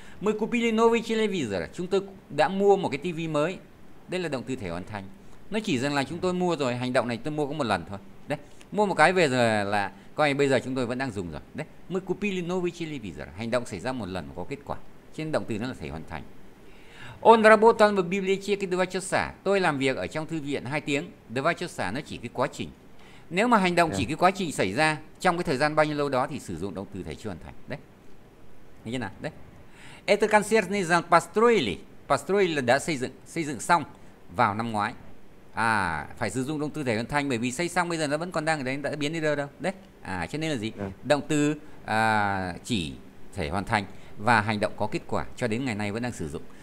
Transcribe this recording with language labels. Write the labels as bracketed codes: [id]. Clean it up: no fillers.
[ru] Мы купили новый телевизор, [vi] chúng tôi đã mua một cái tivi mới. Đây là động từ thể hoàn thành, nó chỉ rằng là chúng tôi mua rồi, hành động này tôi mua có một lần thôi đấy, mua một cái về rồi là coi như bây giờ chúng tôi vẫn đang dùng rồi đấy. [ru] Мы купили новый телевизор, [vi] hành động xảy ra một lần có kết quả, trên động từ nó là thể hoàn thành. [ru] Он работал в библиотеке 2 часа. [vi] Tôi làm việc ở trong thư viện 2 tiếng. 2 часа nó chỉ cái quá trình. Nếu mà hành động chỉ cái quá trình xảy ra trong cái thời gian bao nhiêu lâu đó thì sử dụng động từ thể chưa hoàn thành. Đấy. Thấy chưa nào? Đấy. [ru] Это консьержный зал построили. [vi] Построили là đã xây dựng xong vào năm ngoái. Phải sử dụng động từ thể hoàn thành bởi vì xây xong bây giờ nó vẫn còn đang ở đấy, đã biến đi đâu đâu. Đấy. Cho nên là gì? Động từ chỉ thể hoàn thành và hành động có kết quả cho đến ngày nay vẫn đang sử dụng.